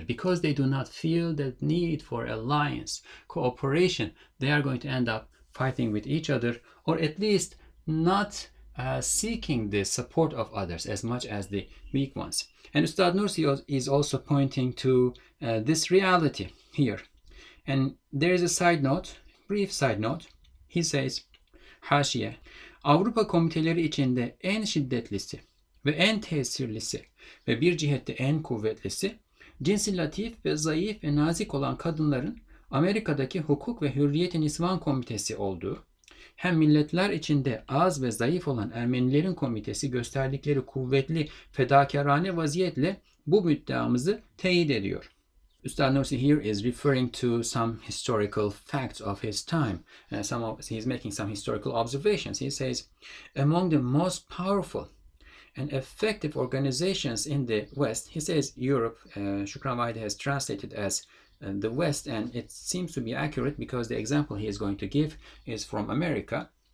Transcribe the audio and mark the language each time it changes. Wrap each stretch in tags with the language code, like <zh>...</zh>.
<en>Because they do not feel the need for alliance, cooperation, they are going to end up fighting with each other, or at least not seeking the support of others as much as the weak ones. And Ustad Nursi is also pointing to this reality here. And there is a side note, brief side note. He says,</en> <tr>haşiye, Avrupa komiteleri içinde en şiddetlisi ve en tesirlisi ve bir cihette en kuvvetlisi, cinsi latif ve zayıf ve nazik olan kadınların Amerika'daki Hukuk ve Hürriyet Nisvan Komitesi olduğu, hem milletler içinde az ve zayıf olan Ermenilerin komitesi gösterdikleri kuvvetli fedakarane vaziyetle bu müddeamızı teyit ediyor.</tr> <en>Ustad Nursi here is referring to some historical facts of his time. He's making some historical observations. He says, among the most powerful and effective organizations in the West, he says Europe, Shukran Vahide has translated as the West, and it seems to be accurate because the example he is going to give is from America.</en>